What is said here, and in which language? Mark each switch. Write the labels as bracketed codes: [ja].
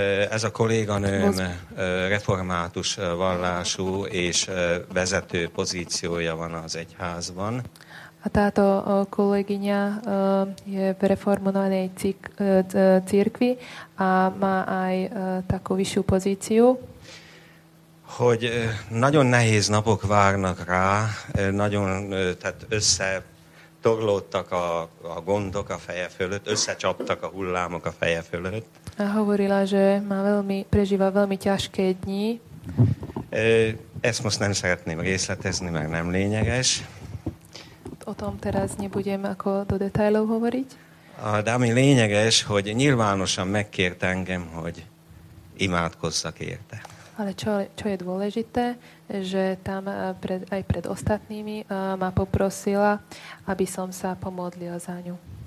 [hu] Ez a kolléganőm református vallású és vezető pozíciója van az egyházban. [sk] A táto kolegyňa je v reformovanej cirkvi a má aj takú vyššiu pozíciu. [hu] Hogy nagyon nehéz napok várnak rá, nagyon tehát összetorlódtak a gondok a feje fölött, összecsaptak a hullámok a feje fölött. [sk] A hovorila, že má prežíva veľmi ťažké dni. [hu] Ezt most nem szeretném részletezni, mert nem lényeges. [sk] O tom teraz nebudem ako do detailov hovoriť. [hu] De ami lényeges, hogy nyilvánosan megkért engem, hogy imádkozzak érte. [sk] Ale čo je dôležité, že tam aj pred ostatnými ma poprosila, aby som sa pomodlil za ňu.